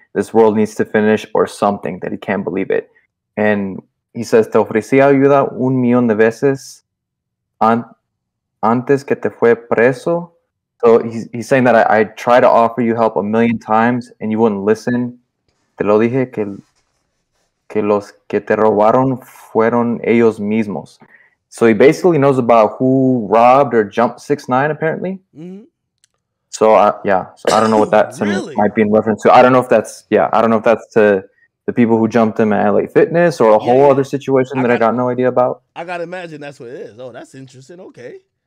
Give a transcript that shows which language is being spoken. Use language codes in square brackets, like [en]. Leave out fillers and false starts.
[en] This world needs to finish or something, that he can't believe it. And he says, [es] te ofrecí ayuda un millón de veces antes que te fue preso. [en] So he's saying that I tried to offer you help a million times and you wouldn't listen. [es] Te lo dije que los que te robaron fueron ellos mismos. [en] So he basically knows about who robbed or jumped 6ix9ine, apparently. Mm-hmm. So, So I don't know what that really? Might be in reference to. I don't know if that's, I don't know if that's to the people who jumped him at LA Fitness or a whole other situation I got no idea about. I gotta imagine that's what it is. Oh, that's interesting. Okay.